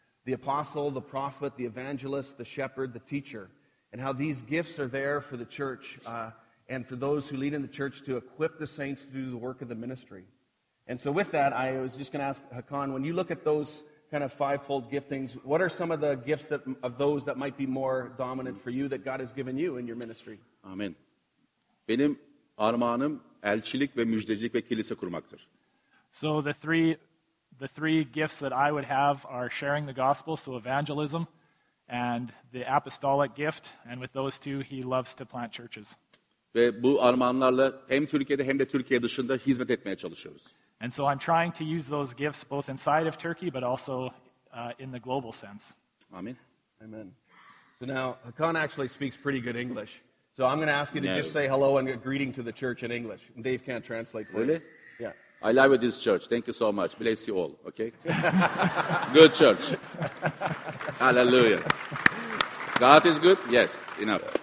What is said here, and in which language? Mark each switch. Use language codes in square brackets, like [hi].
[en] The apostle, the prophet, the evangelist, the shepherd, the teacher, and how these gifts are there for the church and for those who lead in the church to equip the saints to do the work of the ministry. And so with that, I was just going to ask Hakan, when you look at those kind of fivefold giftings, what are some of the gifts that of those that might be more dominant for you that God has given you in your ministry? Amen. [tr] Benim armağanım elçilik ve müjdecilik ve kilise kurmaktır. [en] So the three gifts that I would have are sharing the gospel, so evangelism, and the apostolic gift, and with those two, he loves to plant churches. [tr] Ve bu armağanlarla hem Türkiye'de hem de Türkiye dışında hizmet etmeye çalışıyoruz. [en] And so I'm trying to use those gifts both inside of Turkey, but also in the global sense. Amen. Amen. So now, Hakan actually speaks pretty good English. So I'm going to ask you to just say hello and a greeting to the church in English. And Dave can't translate for really? You. Really? Yeah. I love this church. Thank you so much. Bless you all, okay? Good church. Hallelujah. God is good? Yes, enough.